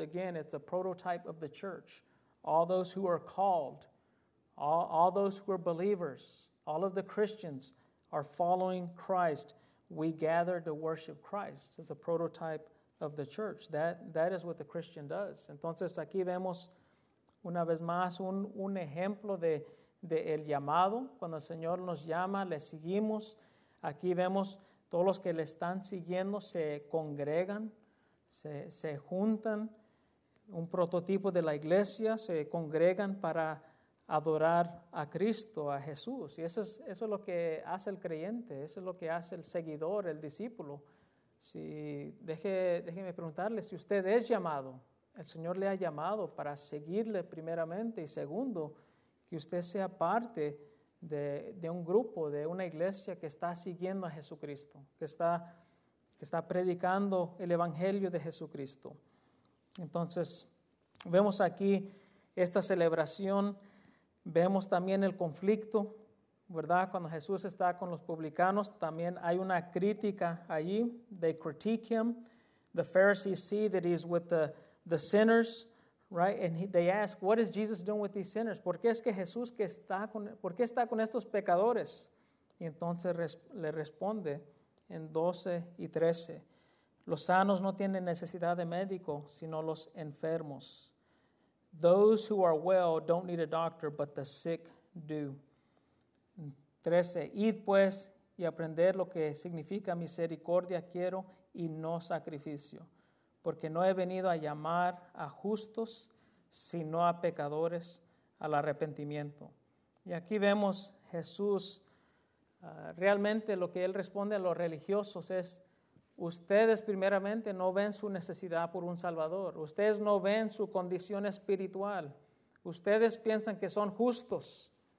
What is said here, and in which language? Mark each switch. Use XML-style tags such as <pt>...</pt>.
<en>Again, it's a prototype of the church. All those who are called, all those who are believers, all of the Christians are following Christ. We gather to worship Christ. It's a prototype of the church. That is what the Christian does.</en> <es>Entonces, aquí vemos una vez más un ejemplo de el llamado. Cuando el Señor nos llama, le seguimos. Aquí vemos todos los que le están siguiendo se congregan, se juntan. Un prototipo de la iglesia, se congregan para adorar a Cristo, a Jesús. Y eso es lo que hace el creyente, eso es lo que hace el seguidor, el discípulo. Si déjeme preguntarle, si usted es llamado, el Señor le ha llamado para seguirle primeramente, y segundo, que usted sea parte de un grupo, de una iglesia que está siguiendo a Jesucristo, que está predicando el Evangelio de Jesucristo. Entonces, vemos aquí esta celebración. Vemos también el conflicto, ¿verdad? Cuando Jesús está con los publicanos, también hay una crítica allí.</es> <en>They critique him. The Pharisees see that he's with the sinners, right? And they ask, what is Jesus doing with these sinners?</en> <es>¿Por qué es que Jesús por qué está con estos pecadores? Y entonces le responde en 12 y 13. Los sanos no tienen necesidad de médico, sino los enfermos.</es> <en>Those who are well don't need a doctor, but the sick do. 13,</en> <es>id pues y aprender lo que significa misericordia quiero y no sacrificio, porque no he venido a llamar a justos, sino a pecadores al arrepentimiento. Y aquí vemos Jesús, realmente lo que él responde a los religiosos es, ustedes primeramente no ven su necesidad por un Salvador, ustedes no ven su condición espiritual, ustedes piensan que son justos.</es>